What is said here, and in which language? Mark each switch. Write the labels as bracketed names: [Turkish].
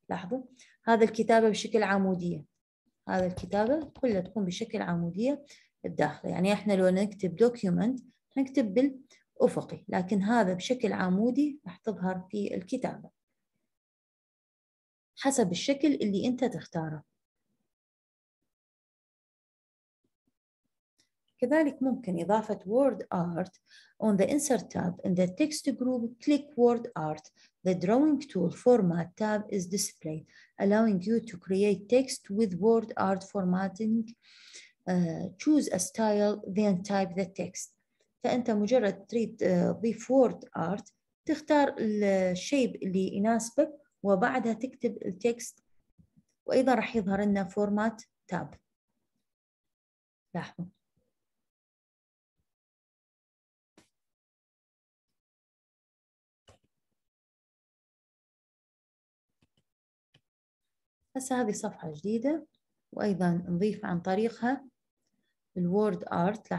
[Arabic] لاحظوا هذا الكتابة بشكل عمودية، هذا الكتابة كلها تكون بشكل عمودية الداخل، يعني إحنا لو نكتب document نكتب بالأفقي، لكن هذا بشكل عمودي راح تظهر في الكتابة حسب الشكل اللي أنت تختاره. كذلك ممكن إضافة [English] word art on the insert tab in the text group. Click word art. The drawing tool format tab is displayed, allowing you to create text with word art formatting. Choose a style, then type the text. [Arabic] فأنت مجرد تريد ضيف word art تختار الشيب اللي يناسبك وبعدها تكتب التكست، وأيضا راح يظهر لنا format tab. لاحظوا هسه هذه صفحة جديدة وأيضا نضيف عن طريقها الوورد آرت.